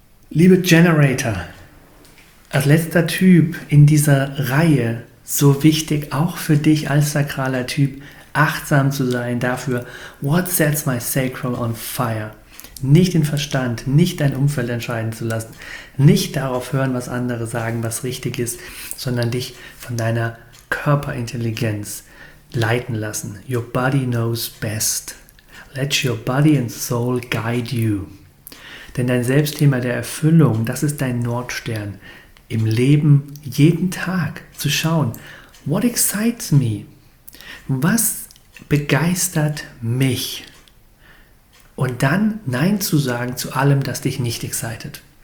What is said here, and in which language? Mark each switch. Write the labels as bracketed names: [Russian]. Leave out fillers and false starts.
[German] Liebe Generator, als letzter Typ in dieser Reihe, so wichtig auch für dich als sakraler Typ, achtsam zu sein dafür, [English] what sets my sacral on fire? [German] Nicht den Verstand, nicht dein Umfeld entscheiden zu lassen, nicht darauf hören, was andere sagen, was richtig ist, sondern dich von deiner Körperintelligenz leiten lassen. [English] Your body knows best. Let your body and soul guide you. [German] Denn dein Selbstthema der Erfüllung, das ist dein Nordstern. Im Leben jeden Tag zu schauen, [English] what excites me? [German] Was begeistert mich? Und dann Nein zu sagen zu allem, das dich nicht excited.